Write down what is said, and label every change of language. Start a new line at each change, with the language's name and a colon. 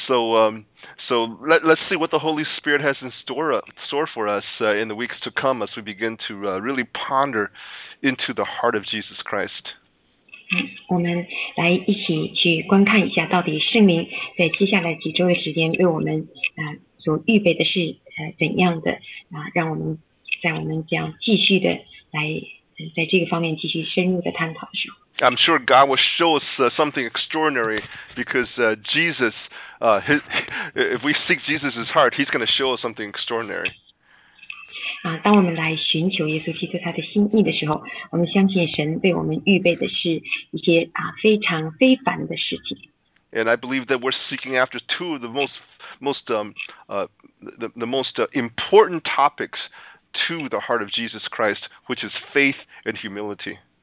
English: so let's see what the Holy Spirit has in store for us in the weeks to come as we begin to really ponder into the heart of Jesus Christ.
Chinese: 我们来一起去观看一下，到底圣灵在接下来几周的时间为我们所预备的是怎样的，让我们。
English: I'm sure God will show us something extraordinary because Jesus, if we seek Jesus' heart, He's going to show us something extraordinary.
Chinese: 当我们来寻求耶稣基督他的心意的时候，我们相信神为我们预备的是一些非常非凡的事情。
English: And I believe that we're seeking after two of the most important topics. To the heart of Jesus Christ, which is faith and humility.